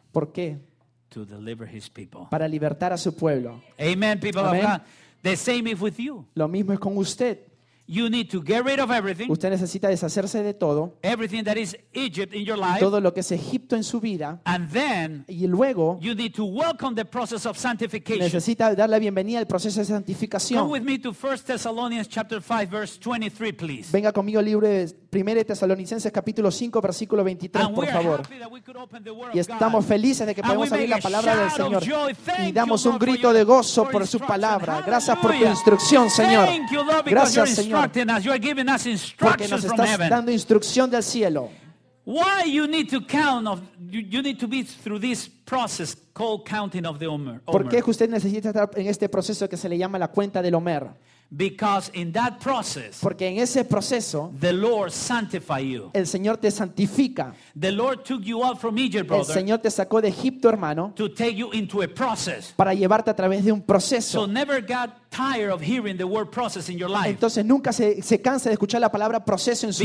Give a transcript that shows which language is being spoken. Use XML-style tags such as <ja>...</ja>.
<es>¿Por qué?</es> <en>To deliver his people.</en> <es>Para libertar a su pueblo.</es> <en>Amen, people of God. The same is with you.</en> <es>Lo mismo es con usted.</es> <en>You need to get rid of everything.</en> <es>Usted necesita deshacerse de todo.</es> <en>Everything that is Egypt in your life.</en> <es>Todo lo que es Egipto en su vida.</es> <en>And then,</en> <es>y luego,</es> <en>you need to welcome the process of sanctification.</en> <es>Necesita dar la bienvenida al proceso de santificación.</es> <en>Come with me to 1 Thessalonians chapter 5 verse 23, please.</en> <es>Venga conmigo al libro de 1 Tesalonicenses capítulo 5 versículo 23, por favor. Y estamos felices de que podemos abrir la palabra del Señor y damos un grito de gozo por su palabra. Gracias por tu instrucción, Señor. Gracias, Señor, porque nos estás dando instrucción del cielo.</es> <en>Why you need to count of you need to be through this process called counting of the Omer.</en> <es>¿Por qué usted necesita estar en este proceso que se le llama la cuenta del Omer?</es> <en>Because in that process,</en> <es>porque en ese proceso,</es> <en>the Lord sanctify you.</en> <es>El Señor te santifica.</es> <en>The Lord took you out from Egypt, brother.</en> <es>El Señor te sacó de Egipto, hermano.</es> <en>To take you into a process.</en> <es>Para llevarte a través de un proceso.</es> <en>So never get tired of hearing the word process in your life.</en> <es>Entonces nunca se cansa de escuchar la palabra proceso en su</es>